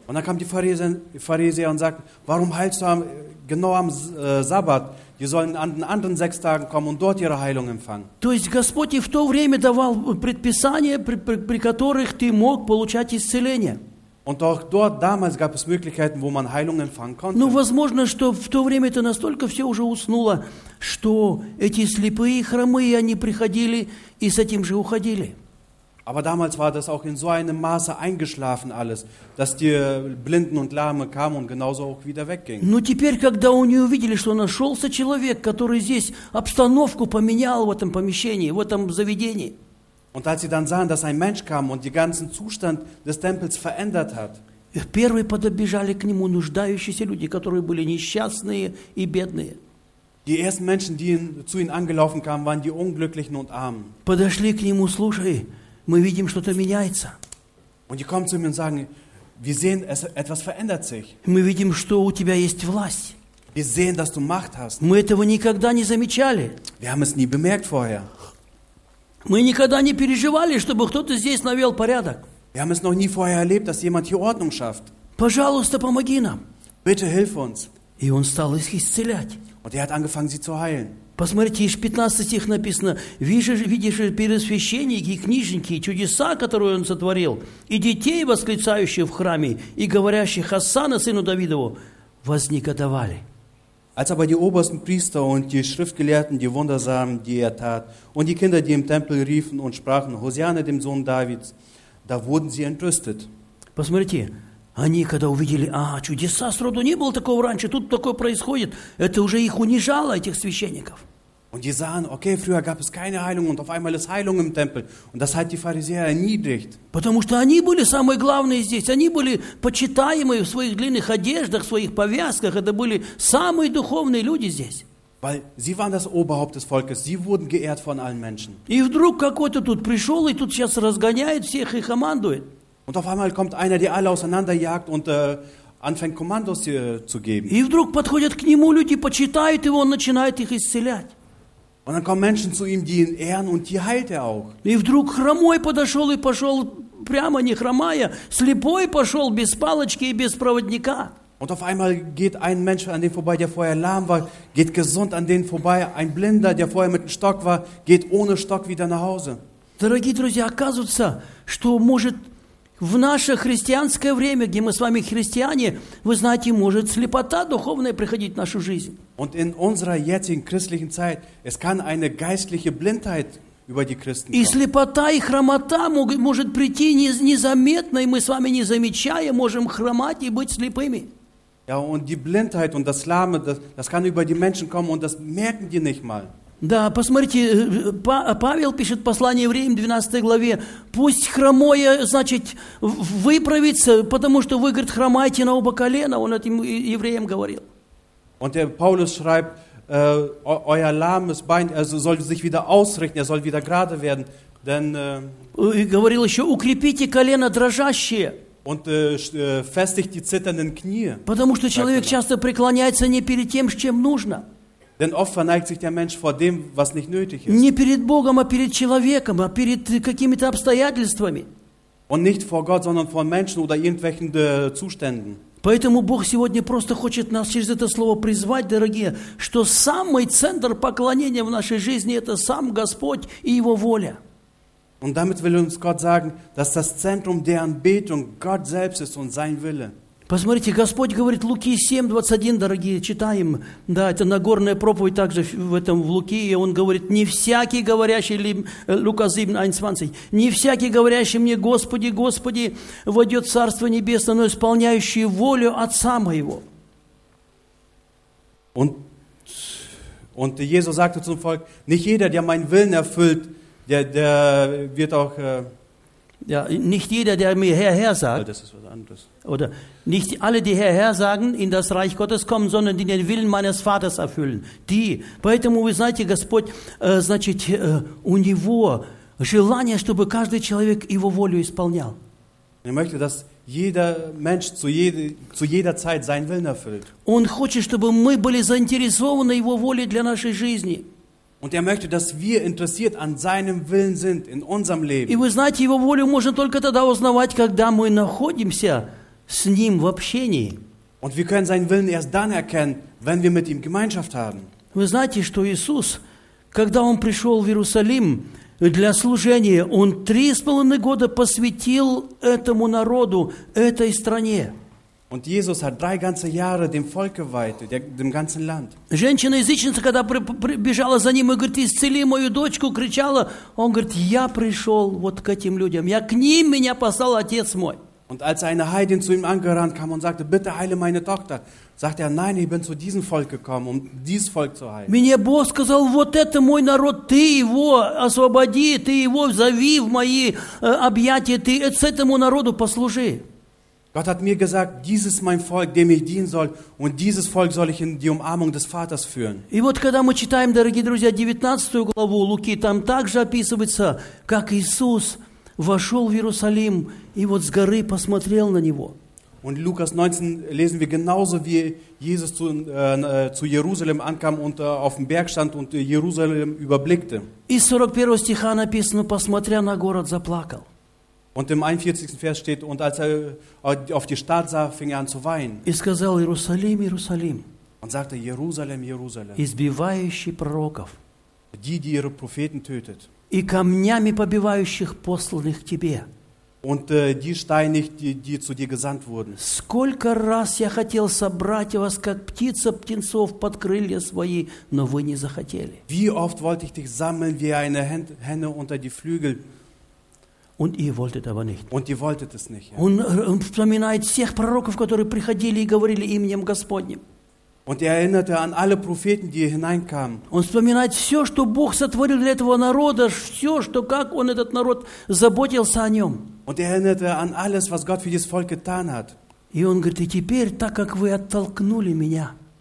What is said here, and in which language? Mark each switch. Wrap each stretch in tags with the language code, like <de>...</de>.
<de>Und dann kam die Pharisäer und sagten, warum heilst du genau am Sabbat? Die sollen an den anderen 6 Tagen kommen und dort ihre Heilung empfangen.</de> <ru>То есть Господь и в то время давал предписания, при которых ты мог получать исцеление.</ru> <de>Und auch dort damals gab es Möglichkeiten, wo man Heilung empfangen konnte.</de> <ru>Ну, возможно, что в то время это настолько все уже уснуло, что эти слепые и хромые, они приходили и с этим же уходили.</ru> <de>Aber damals war das auch in so einem Maße eingeschlafen alles, dass die Blinden und Lahmen kamen und genauso auch wieder weggingen.</de> <ru>Но теперь, когда они увидели, что нашелся человек, который здесь обстановку поменял в этом помещении, в этом заведении.</ru> <de>Und als sie dann sahen, dass ein Mensch kam und den ganzen Zustand des Tempels verändert hat.</de> <ru>Первые подбежали к нему нуждающиеся люди, которые были несчастные и бедные.</ru> <de>Die ersten Menschen, die zu ihm angelaufen kamen, waren die Unglücklichen und Armen.</de> <ru>Подошли к нему, слушай, мы видим, что-то меняется.</ru> <de>Und die kommen zu ihm und sagen, wir sehen, etwas verändert sich.</de> <ru>Мы видим, что у тебя есть власть.</ru> <de>Wir sehen, dass du Macht hast.</de> <ru>Мы этого никогда не замечали.</ru> <de>Wir haben es nie bemerkt vorher.</de> <ru>Мы никогда не переживали, чтобы кто-то здесь навел порядок.</ru> <de>Wir haben es noch nie vorher erlebt, dass jemand hier Ordnung schafft.</de> <ru>Пожалуйста, помоги нам.</ru> <de>Bitte hilf uns.</de> <ru>И он стал их исцелять.</ru> <de>Und er hat angefangen, sie zu heilen.</de> <ru>Посмотрите, из 15 стих написано, видишь первосвященники и книжники, чудеса, которые он сотворил, и детей, восклицающих в храме, и говорящих «Хосанна, сыну Давидову», вознегодовали.</ru> <de>Als aber die obersten Priester und die Schriftgelehrten die Wunder sahen, die er tat, und die Kinder, die im Tempel riefen und sprachen, Hosianne, dem Sohn Davids, da wurden sie entrüstet.</de> <ru>Посмотрите, они когда увидели, чудеса сроду не было такого раньше, тут такое происходит, это уже их унижало, этих священников.</ru> <de>Und die sahen, okay, früher gab es keine Heilung und auf einmal ist Heilung im Tempel. Und das hat die Pharisäer erniedrigt.</de> <ru>Потому что они были самые главные здесь. Они были почитаемые в своих длинных одеждах, в своих повязках. Это были самые духовные люди здесь.</ru> <de>Weil sie waren das Oberhaupt des Volkes. Sie wurden geehrt von allen Menschen.</de> <ru>И вдруг какой-то тут пришел и тут сейчас разгоняет всех и командует.</ru> <de>Und auf einmal kommt einer, der alle auseinanderjagt und anfängt Kommandos zu geben.</de> <ru>И вдруг подходят к нему люди, почитают его, он начинает их исцелять.</ru> <de>Und dann kommen Menschen zu ihm, die ihn ehren, und die heilt er auch.</de> <ru>И вдруг хромой подошел и пошел прямо не хромая, слепой пошел без палочки и без проводника.</ru> <de>Und auf einmal geht ein Mensch an den vorbei, der vorher lahm war, geht gesund an den vorbei. Ein Blinder, der vorher mit dem Stock war, geht ohne Stock wieder nach Hause.</de> <ru>Дорогие друзья, оказывается, что может в наше христианское время, где мы с вами христиане, вы знаете, может слепота духовная приходить в нашу жизнь.</ru> <de>Und in unserer jetzigen christlichen Zeit, es kann eine geistliche Blindheit über die Christen kommen.</de> <ru>И слепота, и хромота может прийти незаметно, и мы с вами не замечая, можем хромать и быть слепыми.</ru> <de>Ja, und die Blindheit und das Lahme, das kann über die Menschen kommen und das merken die nicht mal.</de> <ru>Да, посмотрите, Павел пишет послание Евреям, 12 главе, пусть хромое, значит, выправится, потому что вы, говорит, хромаете на оба колена, он этим евреям говорил.</ru> <de>Und der Paulus schreibt, euer lahmes Bein soll sich wieder ausrichten, soll wieder gerade werden, denn...</de> <ru>И говорил еще, укрепите колено дрожащее.</ru> <de>Und festigt die zitternden Knie.</de> <ru>Потому что человек часто преклоняется не перед тем, чем нужно.</ru> <de>Denn oft verneigt sich der Mensch vor dem, was nicht nötig ist.</de> <ru>Не перед Богом, а перед человеком, а перед какими-то обстоятельствами.</ru> <de>Und nicht vor Gott, sondern vor Menschen oder irgendwelchen Zuständen.</de> <ru>Поэтому Бог сегодня просто хочет нас через это слово призвать, дорогие, что самый центр поклонения в нашей жизни – это сам Господь и Его воля.</ru> <de>Und damit will uns Gott sagen, dass das Zentrum der Anbetung Gott selbst ist und sein Wille.</de> <ru>Посмотрите, Господь говорит, Луки 7:21, дорогие, читаем, да, это Нагорная проповедь также в этом, в Луки, и он говорит, не всякий говорящий, Лука 7:21, не всякий говорящий мне, Господи, Господи, войдет в Царство Небесное, но исполняющий волю Отца Моего.</ru> <de>Und Jesus sagte zum Volk, nicht jeder, der meinen Willen erfüllt, der wird auch... Ja, nicht jeder, der mir Herr, Herr sagt, das ist was anderes. Oder nicht alle, die Herr, Herr sagen, in das Reich Gottes kommen, sondern die den Willen meines Vaters erfüllen. Die.</de> <ru>Поэтому, вы знаете, Господь, значит, у него желание, чтобы каждый человек его волю исполнял.</ru> <de>Er möchte, dass jeder Mensch zu jeder Zeit seinen Willen erfüllt.</de> <ru>Он хочет, чтобы мы были заинтересованы его волей для нашей жизни.</ru> <de>Und er möchte, dass wir interessiert an seinem Willen sind in unserem Leben.</de> <ru>И вы знаете, его волю можно только тогда узнавать, когда мы находимся с ним в общении.</ru> <de>Und wir können seinen Willen erst dann erkennen, wenn wir mit ihm Gemeinschaft haben.</de> <ru>Вы знаете, что Иисус, когда он пришел в Иерусалим для служения, он 3,5 года посвятил этому народу, этой стране.</ru> <de>Und Jesus hat 3 ganze Jahre dem Volk geweiht, dem ganzen Land.</de> <ru>Женщина-язычница, когда бежала за ним и говорит, исцели мою дочку, кричала, он говорит, я пришел вот к этим людям, я к ним меня послал Отец мой.</ru> <de>Und als eine Heidin zu ihm angerannt kam und sagte, bitte heile meine Tochter, sagte er, nein, ich bin zu diesem Volk gekommen, um dieses Volk zu heilen.</de> <ru>Мне Бог сказал, вот это мой народ, ты его освободи, ты его зови в мои объятия, ты этому народу послужи.</ru> <de>Gott hat mir gesagt, dies ist mein Volk, dem ich dienen soll, und dieses Volk soll ich in die Umarmung des Vaters führen.</de> <ru>И вот когда мы читаем, дорогие друзья, 19 главу Луки, там также описывается, как Иисус вошел в Иерусалим и вот с горы посмотрел на него.</ru> <de>Und in Lukas 19 lesen wir genauso, wie Jesus zu Jerusalem ankam und auf dem Berg stand und Jerusalem überblickte.</de> <ru>И 41 стиха написано, посмотря на город, заплакал.</ru> <de>Und im 41. Vers steht, und als er auf die Stadt sah, fing er an zu weinen.</de> <ru>И сказал, Иерусалим, Иерусалим.</ru> <de>Und sagte, Jerusalem, Jerusalem.</de> <ru>Избивающий пророков.</ru> <de>Die, die ihre Propheten tötet.</de> <ru>И камнями побивающих посланных тебе.</ru> <de>Und die Steine, die zu dir gesandt wurden.</de> <ru>Сколько раз я хотел собрать вас, как птица птенцов под крылья свои, но вы не захотели.</ru> <de>Wie oft wollte ich dich sammeln wie eine Henne unter die Flügel. Und ihr wolltet aber nicht. Und ihr wolltet es nicht.</de> <ru>Он вспоминает всех пророков, которые приходили и говорили именем Господним.</ru> <de>Und er erinnerte an alle Propheten, die hineinkamen.</de> <ru>Он вспоминает все, что Бог сотворил для этого народа, все, что как он этот народ заботился о нем.</ru> <de>Und er erinnerte an alles, was Gott für dieses Volk getan hat.</de> <ru>И он говорит, и теперь, так как вы оттолкнули меня.</ru>